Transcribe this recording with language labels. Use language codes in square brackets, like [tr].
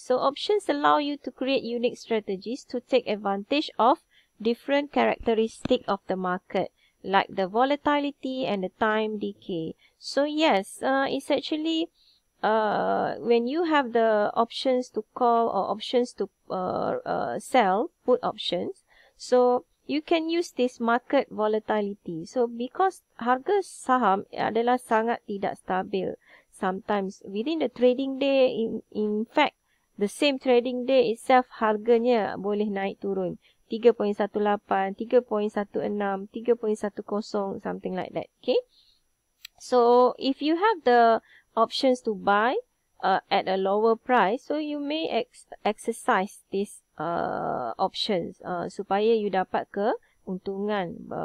[en] So options allow you to create unique strategies to take advantage of different characteristics of the market like the volatility and the time decay. So yes, it's actually when you have the options to call or options to sell, put options. So you can use this market volatility. [ms] So because harga saham adalah sangat tidak stabil. [en] Sometimes within the trading day, in fact, the same trading day itself, [ms] harganya boleh naik turun. [en] 3.18, 3.16, 3.10, something like that. Okay. So, if you have the options to buy at a lower price, so you may exercise this options [ms] supaya [en] you [ms] dapat keuntungan.